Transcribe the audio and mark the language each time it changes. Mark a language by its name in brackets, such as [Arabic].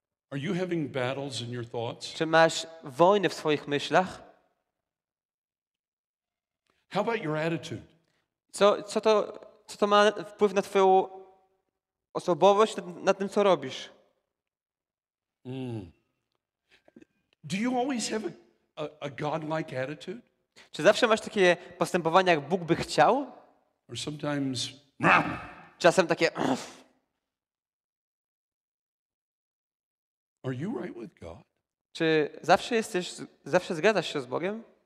[English] Are you having battles in your thoughts? [Polish] Czy masz wojnę w swoich myślach? [English] How about your attitude? [Polish] Co to ma wpływ na twoją osobowość, na tym, co robisz? Mm. [English] Do you always have a God-like attitude? [Polish] Czy zawsze masz takie postępowanie, jak Bóg by chciał? [English] Or sometimes... [Polish] Czasem takie... [English] Are you right with God? [Polish] Czy zawsze jesteś, zawsze zgadzasz się z Bogiem?